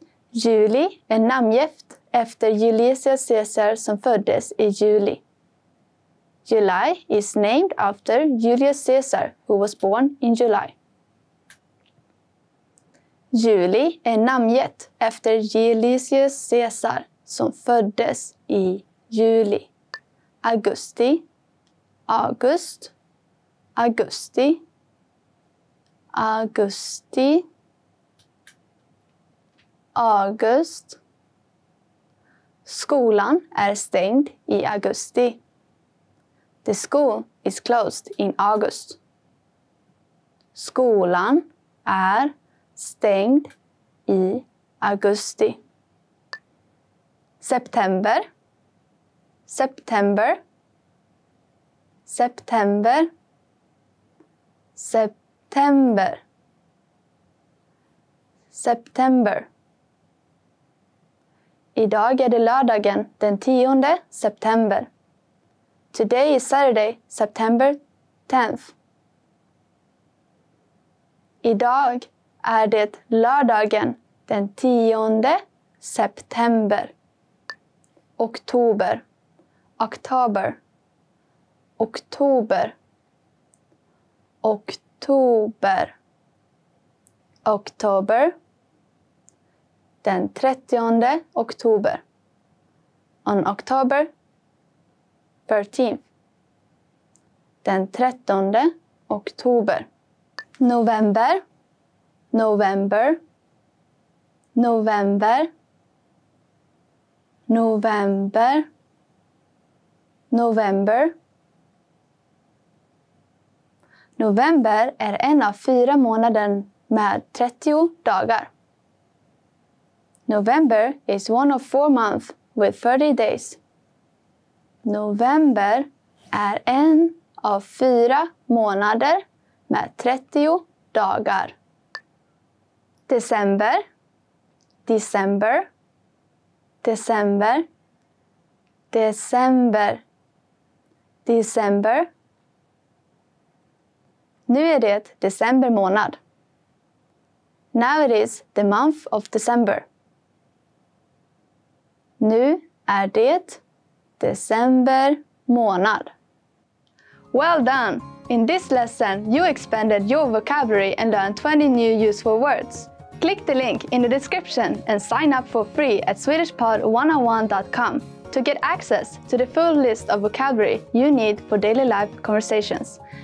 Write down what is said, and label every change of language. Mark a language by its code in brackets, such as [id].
[sv] Juli är namngift efter Julius Caesar som föddes i juli. [en] July is named after Julius Caesar, who was born in July. [sv] Juli är namngett efter Julius Caesar som föddes i juli. Augusti, August, Augusti, Augusti, August. Skolan är stängd i augusti. [en] The school is closed in August. [sv] Skolan är stängd i augusti. September. September. September. September. September. Idag är det lördagen den 10 september. [en] Today is Saturday, September 10th. [sv] Idag är det lördagen den 10 september. Oktober. Oktober. Oktober. Oktober. Oktober. Den 30 oktober. [en] On October 13th. [sv] Den 13 oktober. November. November. November. November. November. November är en av fyra månader med 30 dagar. [en] November is one of four months with 30 days. [sv] November är en av fyra månader med 30 dagar. December. December. December. December. December. Nu är det december månad. [en] Now it is the month of December. [sv] Nu är det december månad. [en] Well done! In this lesson, you expanded your vocabulary and learned 20 new useful words. Click the link in the description and sign up for free at SwedishPod101.com to get access to the full list of vocabulary you need for daily life conversations.